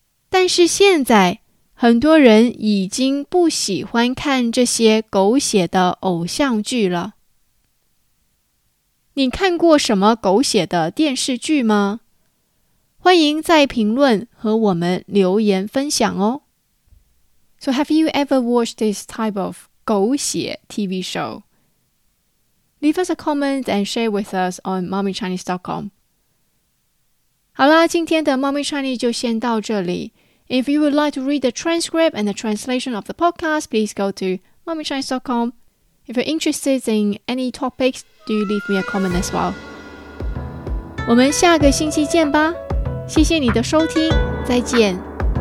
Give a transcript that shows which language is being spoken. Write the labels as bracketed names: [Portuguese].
[Chinese] 但是现在很多人已经不喜欢看这些狗血的偶像剧了。你看过什么狗血的电视剧吗？欢迎在评论和我们留言分享哦。 [English] So have you ever watched this type of 狗血 TV show? Leave us a comment and share with us on mommychinese.com. [Chinese] 好啦，今天的 Mommy Chinese 就先到这里。 [English] If you would like to read the transcript and the translation of the podcast, please go to mommychinese.com. If you're interested in any topics, do leave me a comment as well. [Chinese] 我们下个星期见吧。谢谢你的收听，再见。